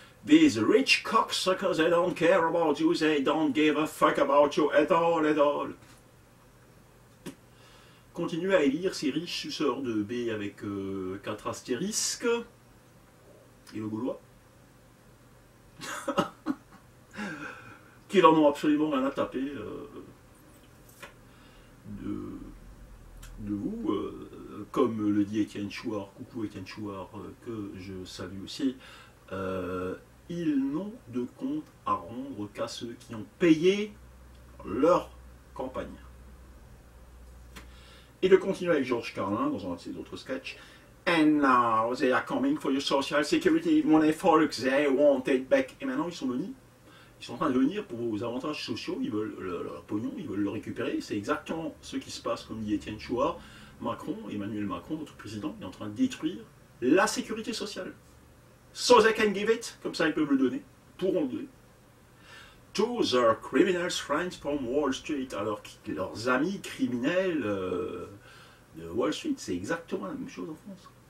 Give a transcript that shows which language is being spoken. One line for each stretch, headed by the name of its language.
English: These rich cocksuckers, they don't care about you, they don't give a fuck about you at all, at all.
French: Continuez à élire ces riches suceurs de B avec 4 astérisques. Et le Gaulois. Qui n'en ont absolument rien à taper de vous. Comme le dit Étienne Chouard, coucou Étienne Chouard, que je salue aussi. Ils n'ont de compte à rendre qu'à ceux qui ont payé leur campagne. Et de continuer avec Georges Carlin dans un de ses autres sketchs.
English: And now they are coming for your social security money, folks. They want it back.
French: Et maintenant ils sont venus. Ils sont en train de venir pour vos avantages sociaux. Ils veulent leur pognon, ils veulent le récupérer. C'est exactement ce qui se passe, comme dit Étienne Chouard. Macron, Emmanuel Macron, notre président, est en train de détruire la sécurité sociale.
English: So they can give it,
French: comme ça ils peuvent le donner, pourront le donner.
English: To their criminals friends from Wall Street,
French: alors que leurs amis criminels de Wall Street, c'est exactement la même chose en France.